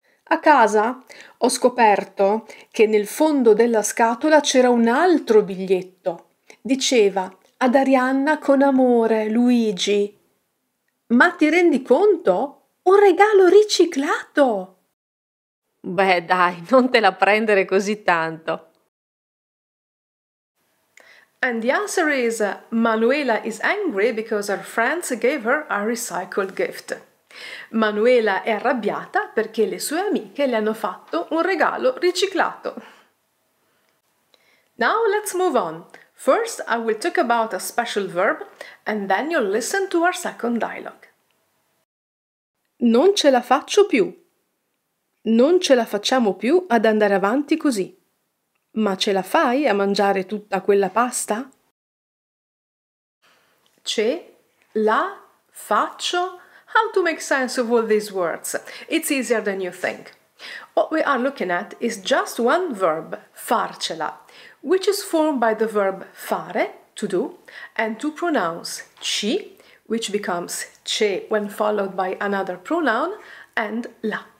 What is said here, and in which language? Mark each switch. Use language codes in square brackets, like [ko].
[it] A casa ho scoperto che nel fondo della scatola c'era un altro biglietto. Diceva: ad Arianna con amore, Luigi. Ma ti rendi conto? Un regalo riciclato! Beh, dai, non te la prendere così tanto. [en] And the answer is Manuela is angry because her friends gave her a recycled gift. [it] Manuela è arrabbiata perché le sue amiche le hanno fatto un regalo riciclato. [en] Now let's move on. First I will talk about a special verb and then you'll listen to our second dialogue. [it] Non ce la faccio più. Non ce la facciamo più ad andare avanti così. Ma ce la fai a mangiare tutta quella pasta? Ce la faccio. [en] How to make sense of all these words? It's easier than you think. What we are looking at is just one verb, farcela, which is formed by the verb fare, to do, and two pronouns, ci, which becomes ce when followed by another pronoun, and la.